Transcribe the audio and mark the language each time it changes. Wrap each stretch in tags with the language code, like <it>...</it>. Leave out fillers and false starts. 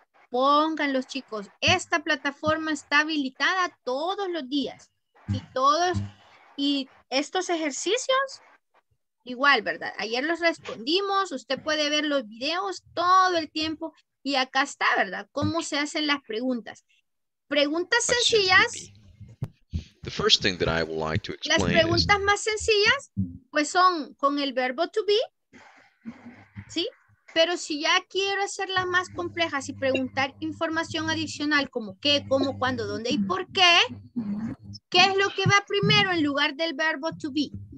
<es>Pónganlos, chicos. Esta plataforma está habilitada todos los días. Y todos, y estos ejercicios... Igual, ¿verdad? Ayer los respondimos, usted puede ver los videos todo el tiempo y acá está, ¿verdad? ¿Cómo se hacen las preguntas? Preguntas sencillas.</es> <en>The first thing that I would like to explain</en> <es>las preguntas más sencillas, pues son con el verbo to be, ¿sí? Pero si ya quiero hacerlas más complejas y preguntar información adicional como qué, cómo, cuándo, dónde y por qué, ¿qué es lo que va primero en lugar del verbo to be?</es>